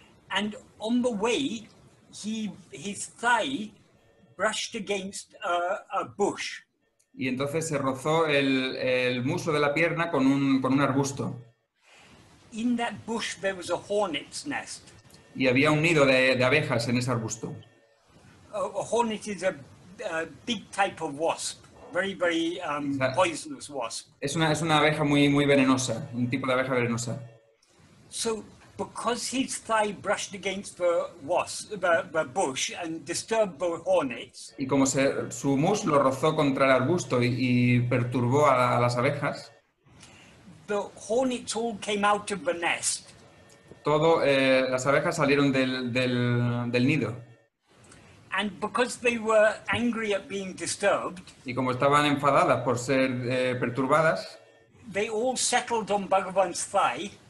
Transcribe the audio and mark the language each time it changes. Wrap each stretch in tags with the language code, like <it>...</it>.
<en>And on the way, his thigh brushed against a bush.</en> <es>Y entonces se rozó el muslo de la pierna con un arbusto.</es> <en>In that bush there was a hornet's nest.</en> <es>Y había un nido de abejas en ese arbusto.</es> <en>A hornet is a big type of wasp, very very poisonous wasp.</en> <es>Es una abeja muy muy venenosa, un tipo de abeja venenosa.</es> <en>So because his thigh brushed against the wasp, the bush and disturbed the hornets.</en> <es>Y como su muslo rozó contra el arbusto y perturbó a las abejas.</es> <en>The hornets all came out of the nest.</en> <es>Las abejas salieron del nido.</es> <en>And because they were angry at being disturbed.</en> <es>Y como estaban enfadadas por ser perturbadas.</es> <en>They all settled on Bhagavan's thigh.</en>